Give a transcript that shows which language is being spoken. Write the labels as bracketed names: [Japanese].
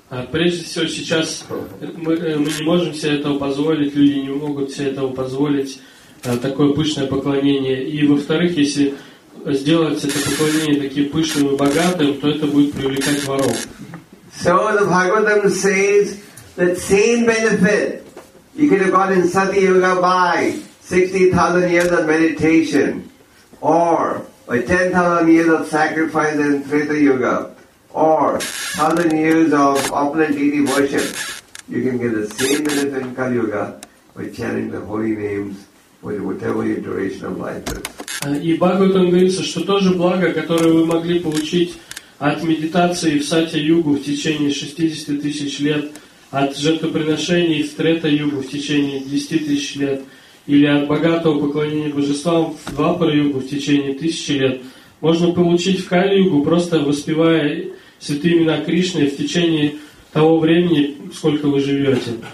[Russian] Прежде всего, сейчас мы не можем себе этого позволить, люди не могут себе этого позволить, такое пышное поклонение. И, во-вторых, если сделать это поклонение таким пышным и богатым, то это будет привлекать воров. [English] So the Bhagavatam says that same benefit you could have got in Sati Yoga by 60,000 years of meditation or by 10,000 years of sacrifice in Treta Yoga. Or 1,000 years of opulent deity worship, you can get the same benefit in Kali Yuga by chanting the holy names for whatever your duration of life is. [Russian] И Бхагаватам говорится, что то же благо, которое вы могли получить от медитации в Сатья-югу в течение 60 тысяч лет, от жертвоприношений в Трета-югу в течение 10 тысяч лет, или от богатого поклонения божествам в Двапара-югу в течение 1000 лет, можно получить в Кали-югу, просто воспевая святые имена Кришны в течение того времени, сколько вы живете.